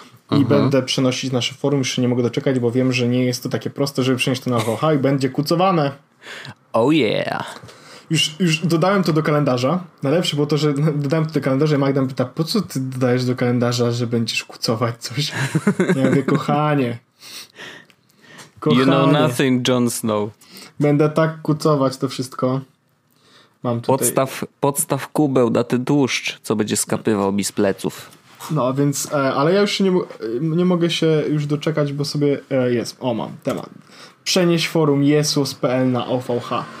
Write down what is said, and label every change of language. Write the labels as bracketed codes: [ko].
[pl] I będę przenosić nasze forum, jeszcze nie mogę doczekać, bo wiem, że nie jest to takie proste, żeby przenieść to na VH i będzie kucowane. [en] Oh yeah. [pl] Już dodałem to do kalendarza. Najlepsze było to, że dodałem to do kalendarza i Magda pyta, po co ty dodajesz do kalendarza, że będziesz kucować coś? Ja mówię, kochanie. [en] You know nothing, Jon Snow. [pl] Będę tak kucować to wszystko. Mam tutaj... Podstaw kubeł na ten tłuszcz, co będzie skapywał mi z pleców. No więc, ale ja już nie mogę się już doczekać, bo sobie jest, mam temat. Przenieś forum jesus.pl na OVH.